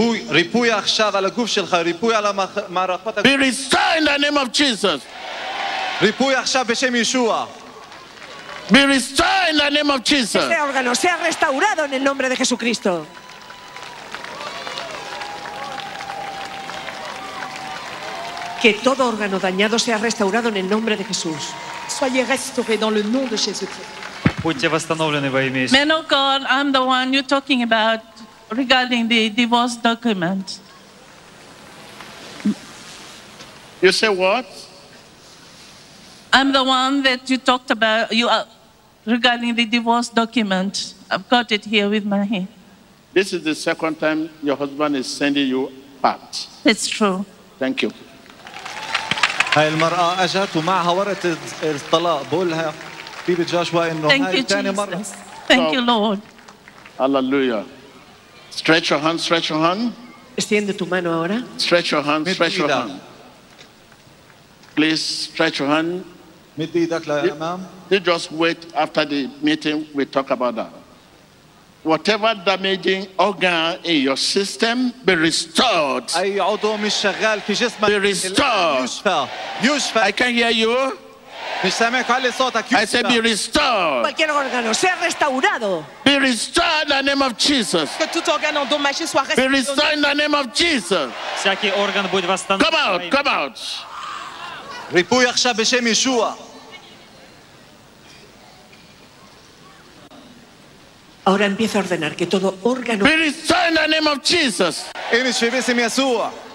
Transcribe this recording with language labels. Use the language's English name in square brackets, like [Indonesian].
[Hebrew] ריפוי עכשיו על הגוף שלך, ריפוי על המערכות הגוף. [English] Be restored in the name of Jesus. [Hebrew] ריפוי עכשיו בשם ישוע. [English] Be restored in the name of Jesus. [Spanish] Ese órgano sea restaurado en el nombre de Jesucristo. Que todo órgano dañado sea restaurado en el nombre de Jesús. [French] Soyez restauré dans le nom de Jésus-Christ. [Russian] Будьте восстановлены во имя Иисуса. [English] Man of God, I'm the one you're talking about. Regarding the divorce document. You say what? I'm the one that you talked about. You are regarding the divorce document. I've got it here with my hand. This is the second time your husband is sending you part. That's true. Thank you. [Arabic] هاي المرأة أجت ومعها ورقة الطلاق. بقولها بيبي جاشوا إنه هاي تاني مرة. [English] Thank you, Thank you, Lord. Hallelujah. Stretch your hand, stretch your hand. [Spanish] Extiende tu mano ahora. [English] Stretch your hand, stretch your hand. Please stretch your hand. [Arabic] مد ايدك للامام. [English] You just wait after the meeting, we talk about that. Whatever damaging organ in your system, be restored. [Arabic] اي عضو مش شغال في جسمك. [English] Be restored. [Arabic] يشفى. [English] I can hear you. I said, be restored. [Spanish] Cualquier órgano sea restaurado. [English] Be restored in the name of Jesus. [French] Que tout organe endommagé soit restauré. [English] Be restored in the name of Jesus. [Russian] Всякий орган будет восстановлен. [English] Come out, come out. [Hebrew] Ripuy achshav b'shem Yeshua. [Spanish] Ahora empiezo a ordenar que todo órgano. [English] Be restored in the name of Jesus. [Hebrew] En Yeshua b'shem Yeshua.